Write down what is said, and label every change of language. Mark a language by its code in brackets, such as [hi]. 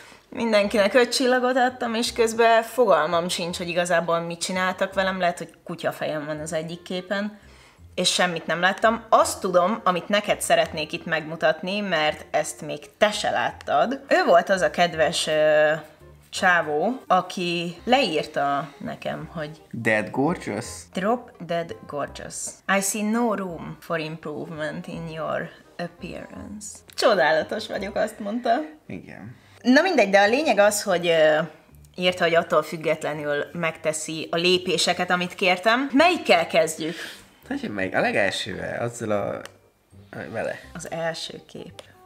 [hu] Mindenkinek 5 csillagot adtam, és közben fogalmam sincs, hogy igazából mit csináltak velem, lehet, hogy kutyafejem van az egyik képen, és semmit nem láttam. Azt tudom, amit neked szeretnék itt megmutatni, mert ezt még te se láttad. Ő volt az a kedves csávó, aki leírta nekem, hogy [en] Dead gorgeous. Drop dead gorgeous. I see no room for improvement in your appearance. [hu] Csodálatos vagyok, azt mondta. Igen. Na mindegy, de a lényeg az, hogy írta, hogy attól függetlenül megteszi a lépéseket, amit kértem. Melyikkel kezdjük? Tudjuk meg, a legelsővel, azzal a... vele. Az első kép.